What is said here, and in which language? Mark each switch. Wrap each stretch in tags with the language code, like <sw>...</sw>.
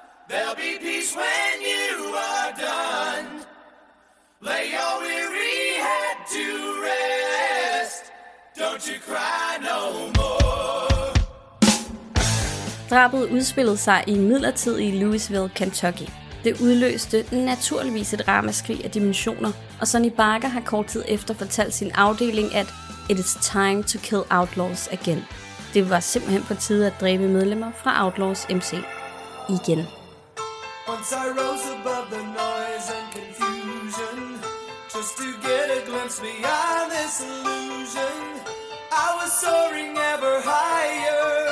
<en>There'll be peace when you are done. Lay your weary head to rest. Don't you cry no more.</en> <da>Drabet udspillede sig i midlertid i Louisville, Kentucky. Det udløste naturligvis et ramaskrig af dimensioner, og Sonny Barker har kort tid efter fortalt sin afdeling, at</da> <en>it is time to kill outlaws again.</en> <da>Det var simpelthen på tide at dræbe medlemmer fra Outlaws MC igen.</da> <en>Once I rose above the noise and confusion, just to get a glimpse beyond this illusion, I was soaring ever higher.</en>